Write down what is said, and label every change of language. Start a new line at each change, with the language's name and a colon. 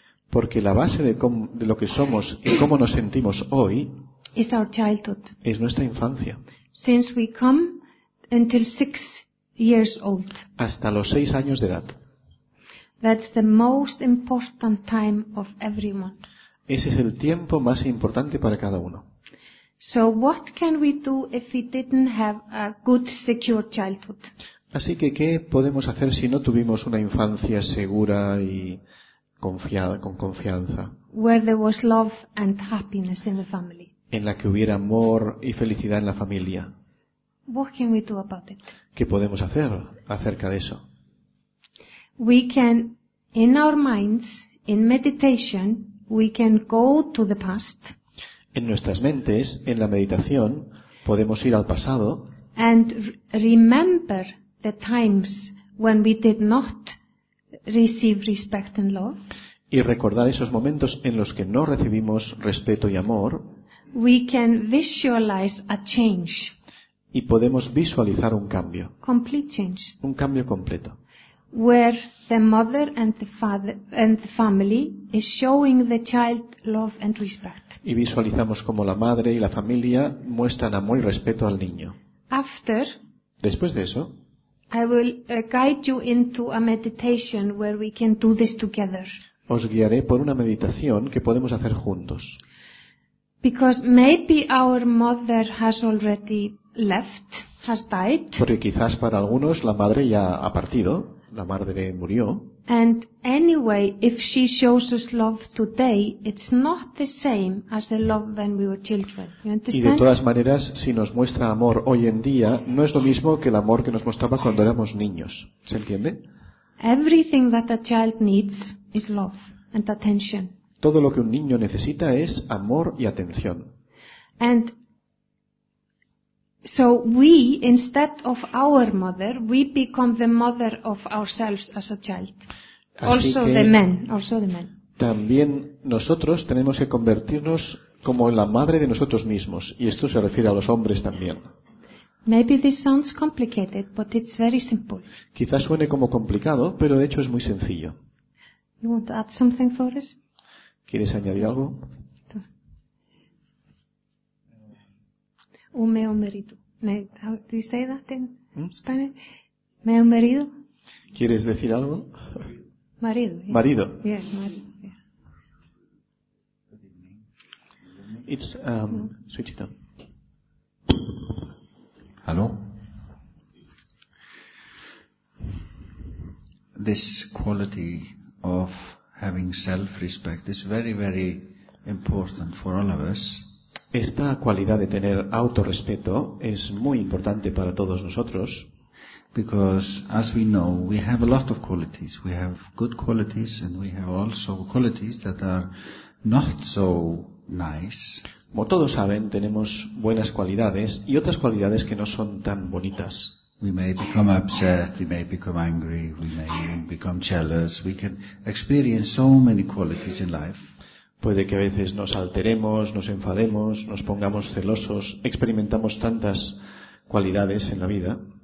Spanish: porque la base de lo que somos y cómo nos sentimos hoy
English: is our childhood.
Spanish: Es nuestra infancia.
English: Since we come until 6 years old.
Spanish: Hasta los 6 años de edad.
English: That's the most important time of everyone.
Spanish: Ese es el tiempo más importante para cada uno.
English: So what can we do if we didn't have a good, secure childhood?
Spanish: Así que, ¿qué podemos hacer si no tuvimos una infancia segura y confiada, con confianza?
English: Where there was love and happiness in the family.
Spanish: En la que hubiera amor y felicidad en la familia.
English: What can we do about it?
Spanish: ¿Qué podemos hacer acerca de eso?
English: We can, in our minds, in meditation, we can go to the past.
Spanish: En nuestras mentes, en la meditación, podemos ir al pasado.
English: And remember the times when we did not receive respect and love.
Spanish: Y recordar esos momentos en los que no recibimos respeto y amor.
English: We can visualize a change.
Spanish: Y podemos visualizar un cambio.
English: Complete change.
Spanish: Un cambio completo.
English: Where the mother and the father and the family is showing the child love and respect.
Spanish: Y visualizamos cómo la madre y la familia muestran amor y respeto al niño.
English: After,
Spanish: después de eso,
English: I will guide you into a meditation where we can do this together.
Spanish: Os guiaré por una meditación que podemos hacer juntos.
English: Because maybe our mother has already left, has died.
Spanish: Porque quizás para algunos la madre ya ha partido. La madre murió.
English: And anyway, if she shows us love today, it's not the same as the love when we were children. You understand?
Spanish: Y de todas maneras, si nos muestra amor hoy en día, no es lo mismo que el amor que nos mostraba cuando éramos niños. ¿Se entiende?
English: Everything that a child needs is love and attention.
Spanish: Todo lo que un niño necesita es amor y atención.
English: And so we, instead of our mother, we become the mother of ourselves as a child. Also the men, also the men.
Spanish: También nosotros tenemos que convertirnos como en la madre de nosotros mismos, y esto se refiere a los hombres también.
English: Maybe this sounds complicated, but it's very simple.
Spanish: Quizás suene como complicado, pero de hecho es muy sencillo.
English: You want to add something for it?
Spanish: ¿Quieres añadir algo? Un meo merito.
English: How do you say that in Spanish? Meo marido.
Spanish: ¿Quieres decir algo? Marido.
English: Yeah. Marido. Yeah, marido. It's switch it on. Hello. This quality of having self-respect is very, very important for all of us.
Spanish: Esta cualidad de tener autorrespeto es muy importante para todos nosotros.
English: Because, as we know, we have a lot of qualities. We have good qualities and we have also qualities that are not so nice.
Spanish: Como todos saben, tenemos buenas cualidades y otras cualidades que no son tan bonitas.
English: We may become upset, we may become angry, we may become jealous. We can experience so many qualities in life.
Spanish: Puede que a veces nos alteremos, nos enfademos, nos pongamos celosos, experimentamos tantas cualidades en la vida.